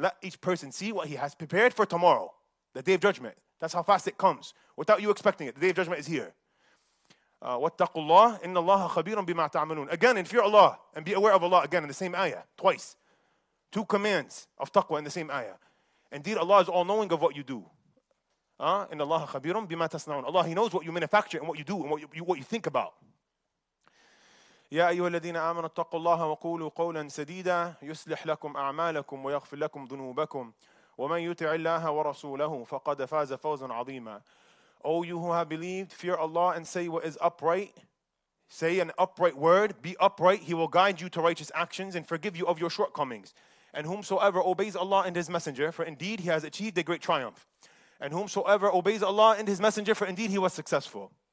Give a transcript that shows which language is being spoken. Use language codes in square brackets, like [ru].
[en] Let each person see what he has prepared for tomorrow, the day of judgment. That's how fast it comes. Without you expecting it, the day of judgment is here. [ar] واتقوا الله إن الله خبير بما تعملون. [en] Again, and fear Allah and be aware of Allah. Again, in the same ayah, twice. Two commands of taqwa in the same ayah. Indeed, Allah is all-knowing of what you do. [ar] إن الله خبير بما تصنعون. [en] Allah, He knows what you manufacture and what you do and what you think about. [ar] يا أيها الذين آمنوا اتقوا الله وقولوا قولا سديدا يصلح لكم أعمالكم ويغفر لكم ذنوبكم ومن يطع الله ورسوله فقد فاز فوزا عظيما. [en] O you who have believed, fear Allah and say what is upright. Say an upright word, be upright. He will guide you to righteous actions and forgive you of your shortcomings. And whomsoever obeys Allah and His Messenger, for indeed he has achieved a great triumph. And whomsoever obeys Allah and His Messenger, for indeed he was successful.